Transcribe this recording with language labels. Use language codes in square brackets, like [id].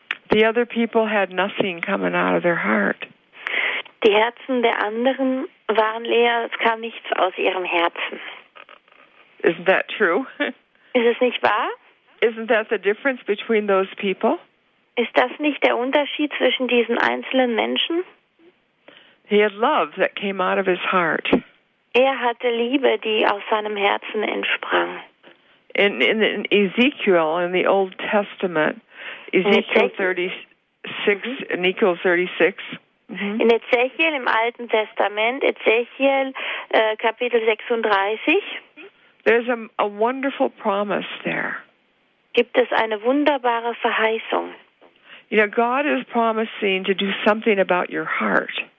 [en] The other people had nothing coming out of their heart. [de] Die Herzen der anderen waren leer, es kam nichts aus ihrem Herzen. [en] Isn't that true? [de] Ist es nicht wahr? [en] Isn't that the difference between those people? [de] Ist das nicht der Unterschied zwischen diesen einzelnen Menschen? [en] He had love that came out of his heart. [de] Er hatte Liebe, die aus seinem Herzen entsprang. [en] In Ezekiel, in the Old Testament, Ezekiel 36. [de] Mm-hmm. In Ezekiel, im Alten Testament, Ezekiel, Kapitel 36. [en] There's a wonderful promise there. [de] Gibt es eine wunderbare Verheißung? [en] You know, God is promising to do something about your heart.